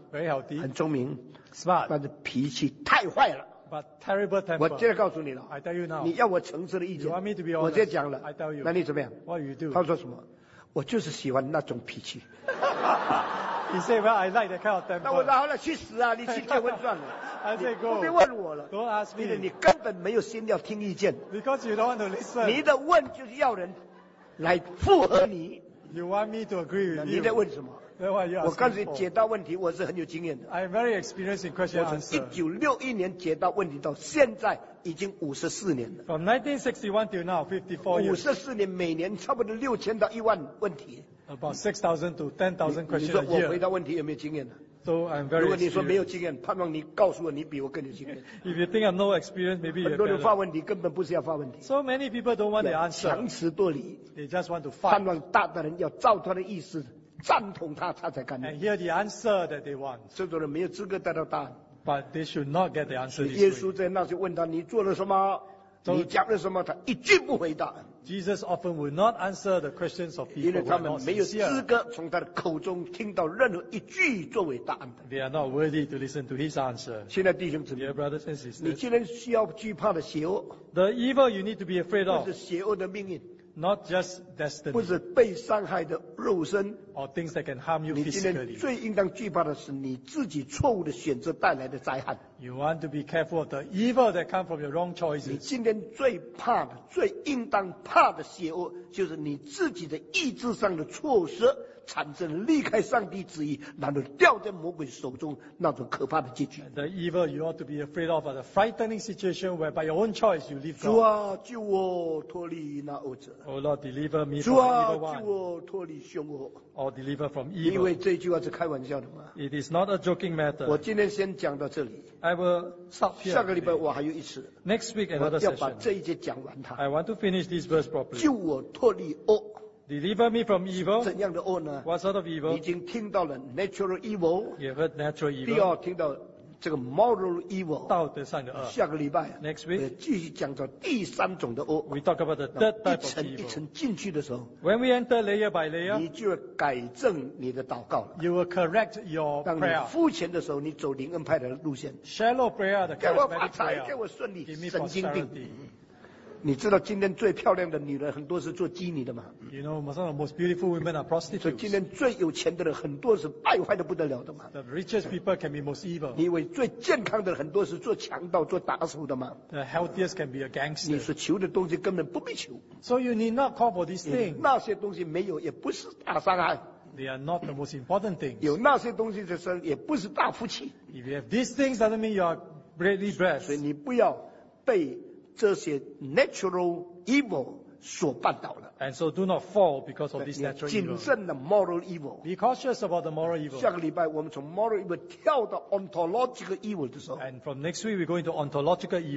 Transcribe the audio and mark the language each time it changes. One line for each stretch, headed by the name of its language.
English: very healthy,
Chinese: 很聪明,
English: smart,
Chinese: 但是脾气太坏了,
English: but terrible temper.
Chinese: 我接着告诉你了,
English: I tell you now,
Chinese: 你要我诚实的意见,
English: you want me to be honest,
Chinese: 我接着讲了,
English: I tell you,
Chinese: 那你怎么样?
English: What you do?
Chinese: 他说什么?我就是喜欢那种脾气,
English: he said well, I like that kind of temper.
Chinese: 那我说好了去死啊, 你去结婚算了,
English: I said go,
Chinese: 你不必问我了,
English: don't ask me,
Chinese: 你根本没有心要听意见,
English: because you don't want to listen,
Chinese: 你的问就是要人 来复合你,
English: you want me to agree with you?
Chinese: 你在问什么?
English: Then what are you asking?
Chinese: 我刚才解答问题, 我是很有经验的,
English: I am very experienced in question answer.
Chinese: 我从1961年解答问题到现在, 已经54年了,
English: from 1961 till now, 54 years.
Chinese: 54年, 每年差不多6000到10000问题,
English: about 6000 to 10000 questions a year.
Chinese: 你说我回答问题有没有经验的?
English: So I'm very experienced.
Chinese: 如果你说没有经验, 盼望你告诉我你比我更有经验,
English: if you think I'm no experience, maybe you're
Chinese: 很多人发问题, 根本不是要发问题,
English: so many people don't want the answer,
Chinese: 强词夺理,
English: they just want to fight,
Chinese: 盼望大的人要照他的意思, 赞同他, 他才甘愿,
English: and hear the answer that they want.
Chinese: 这种人没有资格得到答案,
English: but they should not get the answer.
Chinese: 耶稣在那时问他, 你做了什么? So, 你讲了什么?他一句不回答,
English: Jesus often would not answer the questions of people who are not sincere.
Chinese: 因为他们没有资格从他的口中听到任何一句作为答案的,
English: they are not worthy to listen to his answer.
Chinese: 亲爱弟兄姊妹,
English: dear brothers and sisters,
Chinese: 你既然需要惧怕的邪恶,
English: the evil you need to be afraid of,
Chinese: 或者邪恶的命运,
English: not just destiny,
Chinese: 不是被伤害的肉身,
English: or things that can harm you physically.
Chinese: 你今天最应当惧怕的是你自己错误的选择带来的灾害,
English: you want to be careful of the evil that comes from your wrong choices.
Chinese: 你今天最怕的, 最应当怕的邪恶, 就是你自己的意志上的措施, 产生离开上帝旨意，然后掉在魔鬼手中那种可怕的结局。
English: The evil you ought to be afraid of, the frightening situation where by your own choice you leave God.
Chinese: 主啊，救我脱离那恶者。
English: Oh Lord, deliver me from evil one.
Chinese: 主啊，救我脱离凶恶。
English: Or deliver from evil.
Chinese: 因为这句话是开玩笑的吗
English: ？It is not a joking matter.
Chinese: 我今天先讲到这里。
English: I will stop here.
Chinese: 下个礼拜我还有一次。
English: Next week another session.
Chinese: 我要把这一节讲完它。
English: I want to finish this verse properly.
Chinese: 救我脱离恶。
English: Deliver me from evil.
Chinese: 怎样的恶呢
English: ？What sort of evil?
Chinese: 已经听到了 natural evil.
English: You heard natural evil.
Chinese: 第二听到这个 moral evil. 道德上的恶。下个礼拜
English: ，next week，
Chinese: 继续讲到第三种的恶。
English: We talk about the third type of evil.
Chinese: 一层一层进去的时候
English: ，when we enter layer by layer，
Chinese: 你就要改正你的祷告了。
English: You will correct your prayer.
Chinese: 当你肤浅的时候，你走灵恩派的路线。
English: Shallow prayer 的。
Chinese: 给我发财，给我顺利，神经病。你知道今天最漂亮的女人很多是做妓女的吗
English: ？You know, some of the most beautiful women are prostitutes.
Chinese: 所以今天最有钱的人很多是败坏的不得了的吗
English: ？The richest people can be most evil.
Chinese: 你以为最健康的人很多是做强盗、做打手的吗
English: ？The healthiest can be a gangster.
Chinese: 你所求的东西根本不必求。
English: So you need not call for these things.
Chinese: 那些东西没有，也不是大伤害。
English: They are not the most important things.
Chinese: 有那些东西的时候，也不是大福气。
English: If you have these things, doesn't mean you are greatly blessed.
Chinese: 所以你不要被这些 natural evil 所绊倒了。
English: And so do not fall because of this natural evil.
Chinese: 谨慎的 moral evil.
English: Be cautious about the moral evil.
Chinese: 下个礼拜我们从 moral evil 跳到 ontological evil 的时候。
English: And from next week we go into ontological evil.